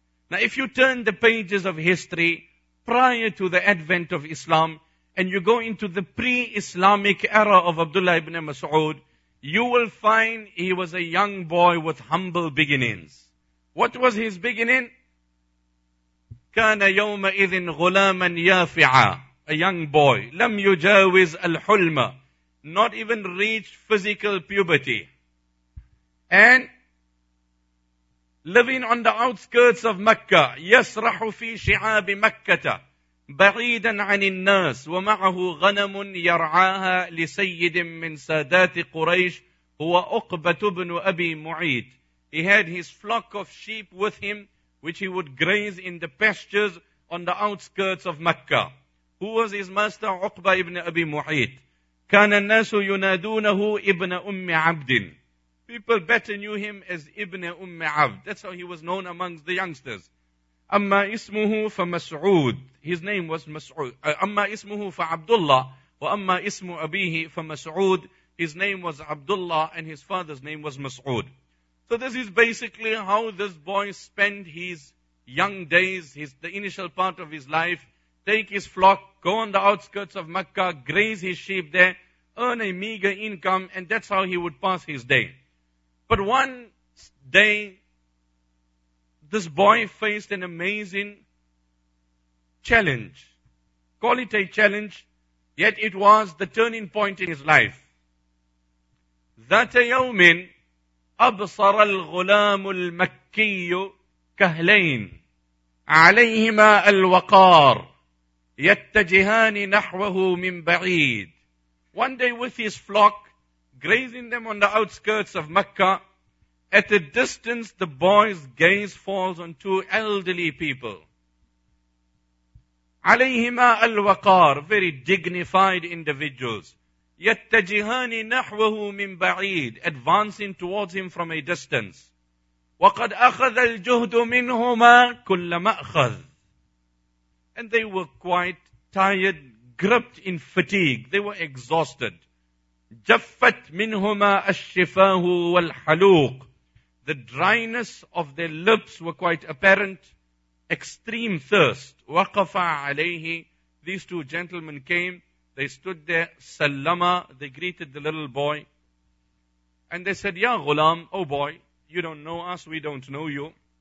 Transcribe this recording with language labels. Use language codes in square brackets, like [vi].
[en] Now, if you turn the pages of history prior to the advent of Islam and you go into the pre-Islamic era of Abdullah ibn Mas'ud, you will find he was a young boy with humble beginnings. What was his beginning? [ar] كان يومئذ غلاما يافعا, [en] a young boy, [ar] لم يجاوز الحلم, [en] not even reached physical puberty, [ar] and living on the outskirts of Mecca, يسرح في شعاب مكة بعيدا عن الناس ومعه غنم يرعاها لسيد من سادات قريش هو أقبة بن أبي معيد. [en] He had his flock of sheep with him, which he would graze in the pastures on the outskirts of Mecca. Who was his master? Uqba ibn Abi Mu'ayt. [ar] كَانَ النَّاسُ يُنَادُونَهُ إِبْنَ أُمِّ عَبْدٍ. [en] People better knew him as Ibn Ummi Abd. That's how he was known amongst the youngsters. [ar] أَمَّا إِسْمُهُ فَمَسْعُودٍ. [en] His name was Mas'ud. [ar] أَمَّا إِسْمُهُ فَعَبْدُ اللَّهِ وَأَمَّا إِسْمُ أَبِيهِ فَمَسْعُودٍ. [en] His name was Abdullah and his father's name was Mas'ud. So this is basically how this boy spent his young days, the initial part of his life. Take his flock, go on the outskirts of Mecca, graze his sheep there, earn a meager income, and that's how he would pass his day. But one day, this boy faced an amazing challenge. Call it a challenge, yet it was the turning point in his life. [ar] That a yawmin, أبصر الغلام المكي كهلين عليهما الوقار يتجهان نحوه من بعيد. [en] One day with his flock, grazing them on the outskirts of Mecca, at a distance the boy's gaze falls on two elderly people. [ar] عليهما الوقار, [en] very dignified individuals. [ar] يتجهان نحوه من بعيد, [en] advancing towards him from a distance. [ar] وقد أخذ الجهد منهما كل ما أخذ. [en] And they were quite tired, gripped in fatigue. They were exhausted. [ar] جفت منهما الشفاه والحلوق. [en] The dryness of their lips were quite apparent. Extreme thirst. [ar] وقف عليه. [en] These two gentlemen came. They stood there. [ar] سلما. [en] They greeted the little boy. And they said, [ar] يا غلام, [en] O boy, you don't know us. We don't know you.